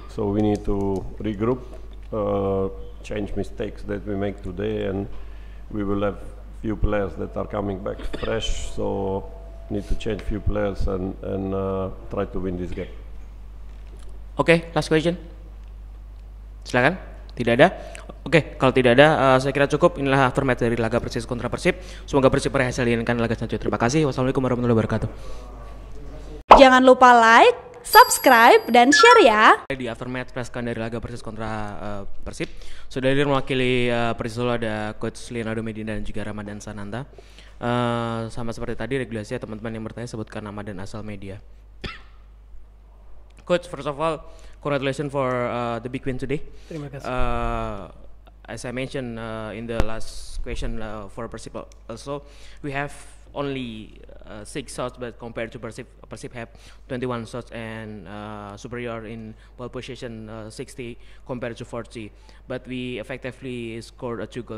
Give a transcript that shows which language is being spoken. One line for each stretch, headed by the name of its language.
English: So we need to regroup, change mistakes that we make today, and we will have few players that are coming back fresh. So need to change few players and try to win this game. Okay, last question.
Indonesian: Silakan. Tidak ada. Oke, kalau tidak ada, saya kira cukup. Inilah format dari laga Persis kontra Persib. Semoga Persib berhasil menangkan laga selanjutnya. Terima kasih. Wassalamualaikum warahmatullahi wabarakatuh. Jangan lupa like, subscribe, dan share ya. Di aftermatch preskan dari laga Persis kontra Persib, sudah hadir mewakili Persis Solo ada Coach Leonardo Medina dan juga Ramadan Sananta. Sama seperti tadi regulasi ya, teman-teman yang bertanya sebutkan nama dan asal media.
English: Coach, first of all, congratulations for the big win today.
Indonesian: Terima kasih.
English: As I mentioned in the last question for Persib also, we have only 6 shots, but compared to Persib have 21 shots and superior in ball possession 60 compared to 40, but we effectively scored a 2 goal.